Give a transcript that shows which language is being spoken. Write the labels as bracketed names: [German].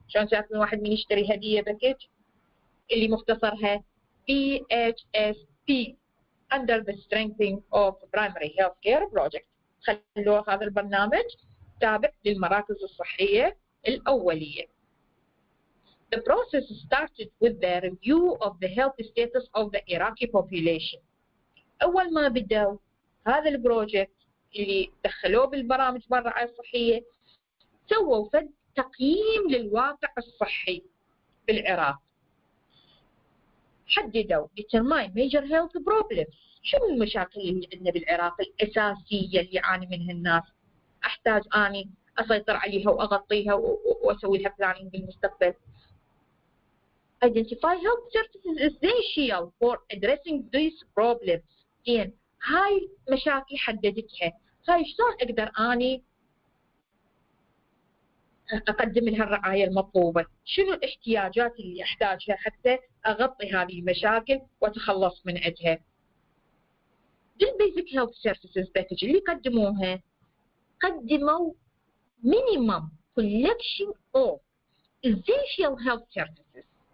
[Arabic] شلون شايف الواحد من يشتري هدية باكج؟ اللي مختصرها PHSP [English] under the strengthening of primary health care project. [Arabic] خلوا هذا البرنامج تابع للمراكز الصحية الأولية. [English] The process started with the review of the health status of the Iraqi population. [Arabic] أول ما بدأوا هذا البروجكت اللي دخلوه بالبرامج بالرعاية الصحية سووا فد تقييم للواقع الصحي بالعراق. [English] حددوا determine major health problems. [Arabic] شو المشاكل اللي عندنا بالعراق الأساسية اللي يعاني منها الناس؟ أحتاج أني أسيطر عليها وأغطيها وأسوي لها planning بالمستقبل. [English] Identify health services essential for addressing these problems. [Arabic] زين هاي مشاكل حددتها. هاي شلون أقدر أني أقدم لها الرعاية المطلوبة؟ شنو الاحتياجات اللي أحتاجها حتى أغطي هذه المشاكل وتخلص من عندها؟ الـ Basic Health Services Package اللي قدموها قدموا [English] Minimum Collection of Essential Health Services.